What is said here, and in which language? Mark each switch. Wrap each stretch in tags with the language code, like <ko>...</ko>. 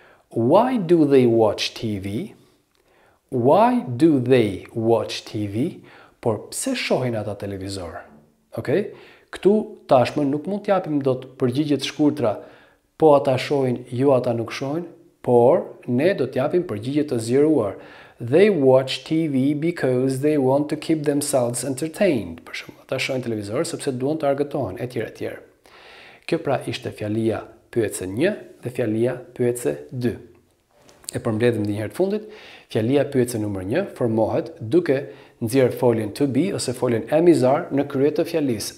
<en>Why do they watch TV? Why do they watch TV?</en> <sq>Por pse shohin ata televizor? Okay? Këtu tashmë nuk mund t'japim dot përgjigje të shkurtra. Po ata shohin, jo ata nuk shohin, por ne do t'japim përgjigje të zgjeruar.</sq> <en>They watch TV because they want to keep themselves entertained.</en> <sq>Për shumë, ata shohin televizor sepse duan të argëtohen etj etj. Kjo pra ishte fjalia pyetëse 1 dhe fjalia pyetëse 2. E përmbledhëm dhe njëherë të fundit, fjalia pyetëse numër 1 formohet duke nxjerr foljen to be ose foljen am is are në krye të fjalis.</sq>